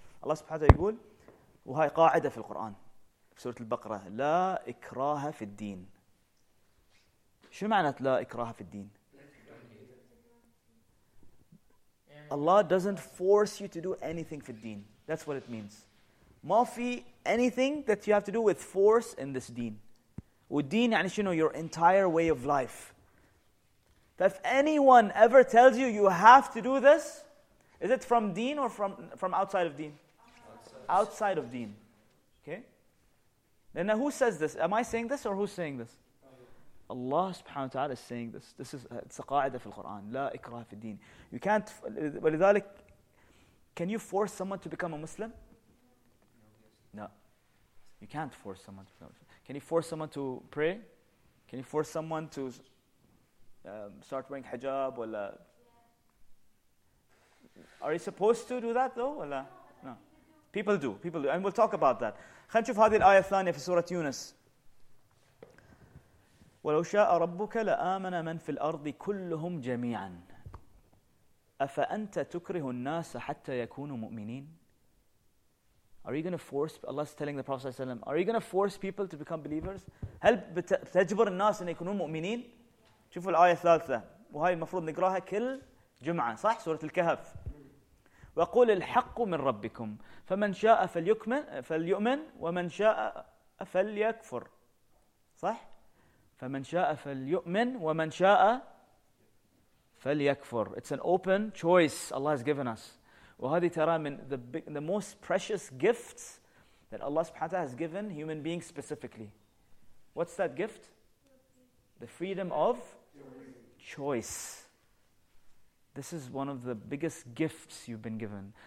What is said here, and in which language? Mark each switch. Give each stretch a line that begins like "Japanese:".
Arabic: Allah سبحانه يقول وهي قاعدة في القرآن في سورة البقرة لا إكراه في الدين. شو معنى لا إكراه في الدين?
English: Allah doesn't force you to do anything
Arabic: في الدين.
English: That's what it means.
Arabic: ما في
English: anything that you have to do with force in this deen. With deen,
Arabic: يعني شنو?
English: Your entire way of life. That if anyone ever tells you you have to do this, is it from deen or from outside of deen? Outside. Outside of deen. Okay? Then who says this? Am I saying this or who's saying this? Allah subhanahu wa ta'ala is saying this. This is it's a
Arabic: qa'ida fil Quran. La ikraha fi deen.
English: You can't,
Arabic: ولذلك,
English: can you force someone to become a Muslim? No, you can't force someone to pray. Can you force someone to pray? Can you force someone to start wearing hijab? Or, are you supposed to do that though? Or, no. People do. And we'll talk about that.
Arabic: خلنا نشوف هذه الآية الثانية في سورة يونس. ولو شاء ربك لآمن من في الأرض كلهم جميعا. أفأنت تكره الناس حتى يكونوا مؤمنين?
English: Are you going to force, Allah's telling the Prophet ﷺ, are you going to force people to become believers?
Arabic: هل تجبر الناس أن يكونوا مؤمنين؟ شوفوا الآية الثالثة وهي المفروض نقراها كل جمعة صح؟ سورة الكهف. وقول الحق من ربكم فمن شاء فليؤمن ومن شاء فليكفر صح؟ فمن شاء فليؤمن ومن شاء فليكفر.
English: It's an open choice Allah has given us.
Arabic: وهذه ترى من
English: the most precious gifts that Allah subhanahu wa ta'ala has given human beings specifically. What's that gift? The freedom of choice. This is one of the biggest gifts you've been given.